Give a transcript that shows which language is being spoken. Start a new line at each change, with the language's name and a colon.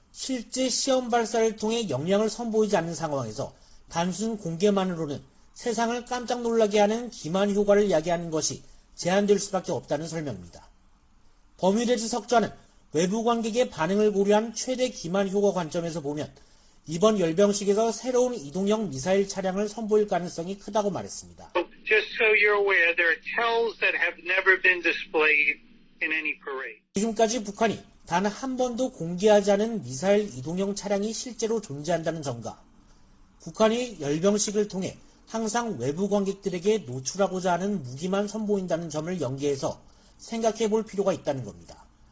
Korean: 실제 시험 발사를 통해 영향을 선보이지 않는 상황에서 단순 공개만으로는 세상을 깜짝 놀라게 하는 기만 효과를 야기하는 것이 제한될 수밖에 없다는 설명입니다. 버뮤데즈 석좌는 외부 관객의 반응을 고려한 최대 기만 효과 관점에서 보면 이번 열병식에서 새로운 이동형 미사일 차량을 선보일 가능성이 크다고 말했습니다.
English: Just so you're aware, there are tells that have never been displayed in any parade.
Korean: 지금까지 북한이 단 한 번도 공개하지 않은 미사일 이동형 차량이 실제로 존재한다는 점과 북한이 열병식을 통해 항상 외부 관객들에게 노출하고자 하는 무기만 선보인다는 점을 연계해서 생각해 볼 필요가 있다는 겁니다.